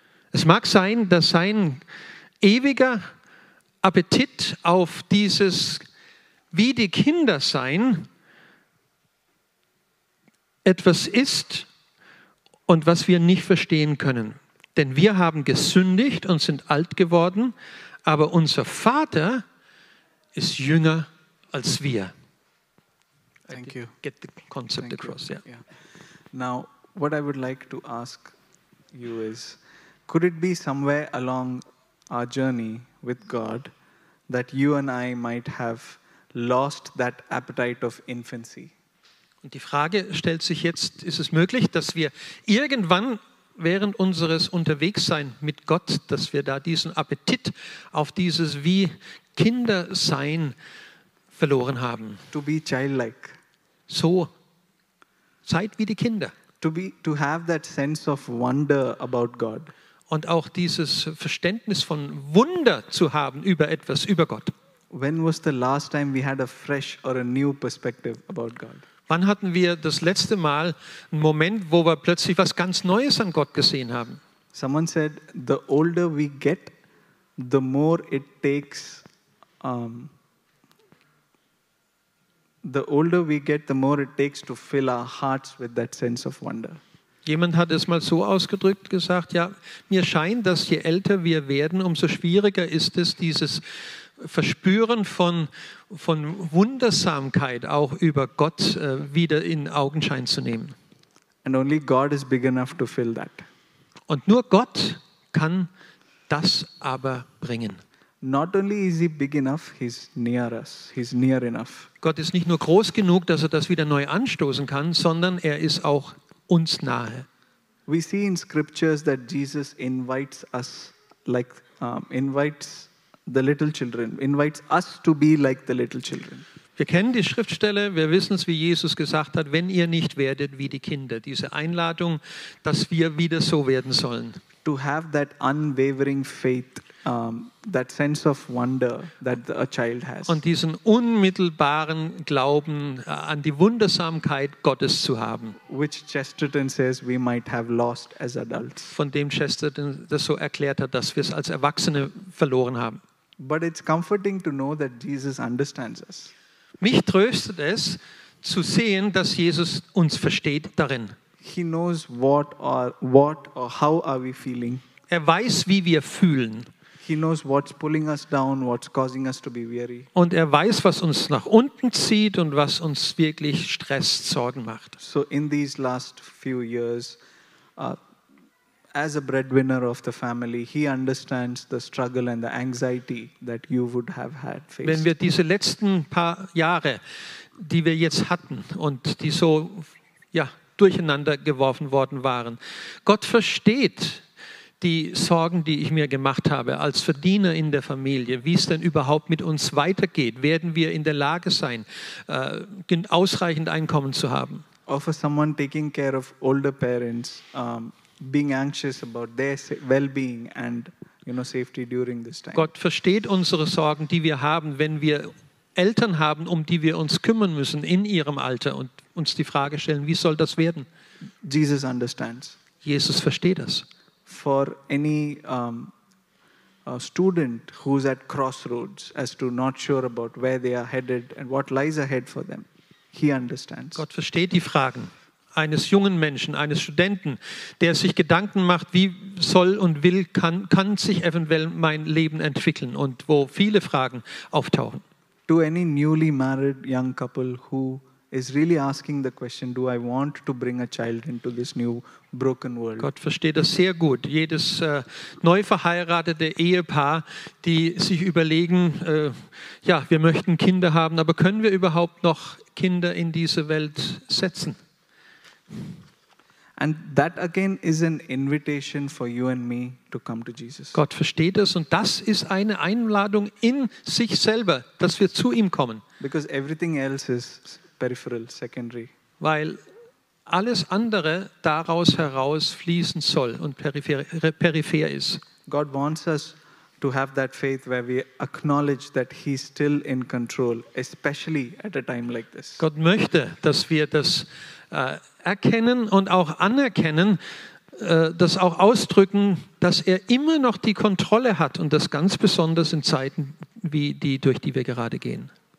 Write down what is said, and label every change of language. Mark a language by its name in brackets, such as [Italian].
[German] Es mag sein, dass sein ewiger Appetit auf dieses wie die Kinder sein etwas ist und was wir nicht verstehen können. Denn wir haben gesündigt und sind alt geworden, aber unser Vater ist jünger als wir. [English] Thank you. Get the concept Thank across. Yeah. Now, what I would like to ask you is, could it be somewhere along our journey with God that you and I might have lost that appetite of infancy? [German] Und die Frage stellt sich jetzt, ist es möglich, dass wir irgendwann während unseres Unterwegssein mit Gott, dass wir da diesen Appetit auf dieses wie Kindersein verloren haben? [English] To be childlike. [German] So seid wie die Kinder. [English] To have that sense of wonder about God. [German] Und auch dieses Verständnis von Wunder zu haben über etwas, über Gott. [English] When was the last time we had a fresh or a new perspective about God? [German] Wann hatten wir das letzte Mal einen Moment, wo wir plötzlich was ganz Neues an Gott gesehen haben? [English] Someone said, the older we get, the more it takes. To fill our hearts with that sense of wonder. [German] Jemand hat es mal so ausgedrückt gesagt, ja, mir scheint, dass je älter wir werden, umso schwieriger ist es, dieses Verspüren von Wundersamkeit auch über Gott wieder in Augenschein zu nehmen. [English] And only God is big enough to fill that. [German] Und nur Gott kann das aber bringen. [English] Not only is he big enough, he's near us. He's near enough. [German] Gott ist nicht nur groß genug, dass er das wieder neu anstoßen kann, sondern er ist auch uns nahe. [English] We see in scriptures that Jesus invites us like invites the little children, invites us to be like the little children. [German] Wir kennen die Schriftstelle, wir wissen es, wie Jesus gesagt hat, wenn ihr nicht werdet wie die Kinder, diese Einladung, dass wir wieder so werden sollen. [English] To have that unwavering faith, that sense of wonder that a child has. [German] Und diesen unmittelbaren Glauben an die Wundersamkeit Gottes zu haben. [English] Which Chesterton says we might have lost as adults. [German] Von dem Chesterton das so erklärt hat, dass wir es als Erwachsene verloren haben. [English] But it's comforting to know that Jesus understands us. [German] Mich tröstet es zu sehen, dass Jesus uns versteht darin. [English] He knows what or how are we feeling. [German] Er weiß, wie wir fühlen. [English] He knows what's pulling us down, what's causing us to be weary. [German] Und er weiß, was uns nach unten zieht und was uns wirklich Stress, Sorgen macht. [English] So in these last few years, as a breadwinner of the family, he understands the struggle and the anxiety that you would have had faced. [German] Wenn wir diese letzten paar Jahre, die wir jetzt hatten und die so ja, durcheinander geworfen worden waren, Gott versteht die Sorgen, die ich mir gemacht habe als Verdiener in der Familie, wie es denn überhaupt mit uns weitergeht, werden wir in der Lage sein, ausreichend Einkommen zu haben. [English] Offer someone taking care of older parents, being anxious about their well-being and, you know, safety during this time. [German] Gott versteht unsere Sorgen, die wir haben, wenn wir Eltern haben, um die wir uns kümmern müssen in ihrem Alter und uns die Frage stellen, wie soll das werden? [English] Jesus understands. [German] Jesus versteht das. [English] For any student who's at crossroads as to not sure about where they are headed and what lies ahead for them, he understands. [German] Gott versteht die Fragen eines jungen Menschen, eines Studenten, der sich Gedanken macht, wie soll und will, kann sich eventuell mein Leben entwickeln und wo viele Fragen auftauchen. [English] To any newly married young couple who is really asking the question, do I want to bring a child into this new broken world? [German] Gott versteht das sehr gut. Jedes neu verheiratete Ehepaar, die sich überlegen, ja, wir möchten Kinder haben, aber können wir überhaupt noch Kinder in diese Welt setzen? [English] And that again is an invitation for you and me to come to Jesus. [German] Gott versteht es und das ist eine Einladung in sich selber, dass wir zu ihm kommen. [English] Because everything else is peripheral, secondary. [German] Weil alles andere daraus heraus fließen soll und peripher ist. [English] God wants us to have that faith where we acknowledge that he's still in control, especially at a time like this. [German] Gott möchte, dass wir das erkennen und auch anerkennen, das auch ausdrücken, dass er immer noch die Kontrolle hat und das ganz besonders in Zeiten wie die, durch die wir gerade gehen.